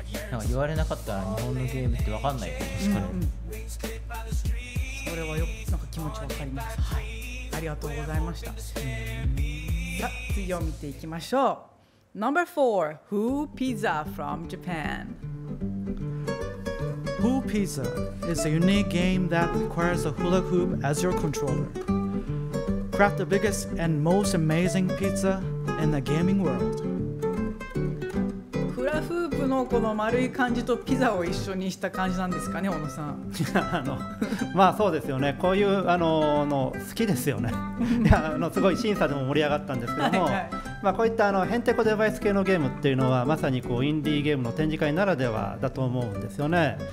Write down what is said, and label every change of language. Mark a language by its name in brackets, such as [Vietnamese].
[Japanese] なんか言われなかったら日本のゲームって分かんないよね。確かに、それはよなんか気持ち分かります。はい、ありがとうございました。さあ、次を見ていきましょう。 [English] Number 4 Who Pizza from Japan? Who Pizza is a unique game that requires a hula hoop as your controller. Craft the biggest and most amazing pizza in the gaming world. [Japanese] フラフープのこの丸い感じとピザを一緒にした感じなんですかね、小野さん。まあそうですよね、こういうの好きですよね。いや、すごい審査でも盛り上がったんですけども、まあ、こういったヘンテコデバイス系のゲームっていうのはまさにこうインディーゲームの展示会ならではだと思うんですよね。